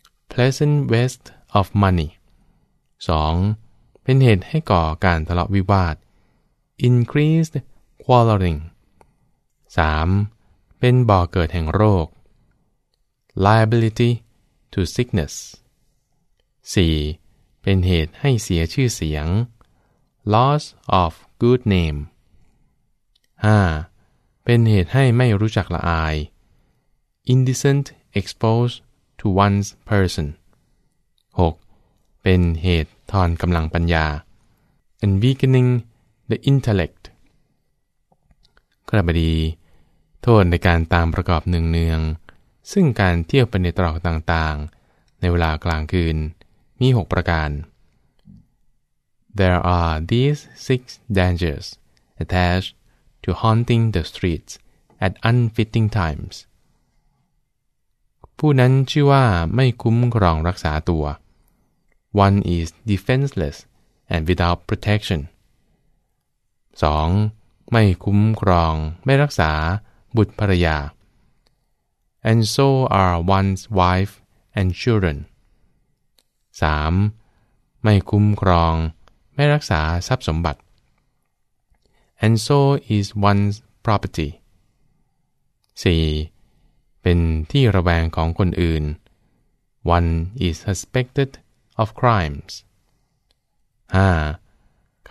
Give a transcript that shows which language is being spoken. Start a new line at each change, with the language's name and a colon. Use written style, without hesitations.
English: Pleasant waste of money. 2.
Thai: เป็นเหตุให้ก่อการทะเลาะวิวาท
English: Increased quarreling.
Thai: 3. เป็นบ่อเกิดแห่งโรค
English: Liability to sickness.
Thai: 4. เป็นเหตุให้เสียชื่อเสียง
English: Loss of good name.
Thai: 5. เป็นเหตุให้ไม่รู้จักละอาย
English: Indecent exposeTo one's person.
Thai: 6. เป็นเหตุทอนกำลังปัญญา
English: And weakening the intellect.
Thai: กระบดีโทษในการตามประกอบเนืองๆซึ่งการเที่ยวไปในตรอกต่างๆในเวลากลางคืนมี6ประการ
English: There are these six dangers attached to haunting the streets at unfitting times.
Thai: ผู้นั้นชื่อว่าไม่คุ้มครองรักษาตัว
English: One is defenseless and without protection. 2.
Thai: ไม่คุ้มครองไม่รักษาบุตรภรรยา
English: And so are one's wife and children. 3.
Thai: ไม่คุ้มครองไม่รักษาทรัพย์สมบัติ
English: and so is one's property
Thai: 4. เป็นที่ระแวงของคนอื่น
English: one is suspected of crimes
Thai: 5.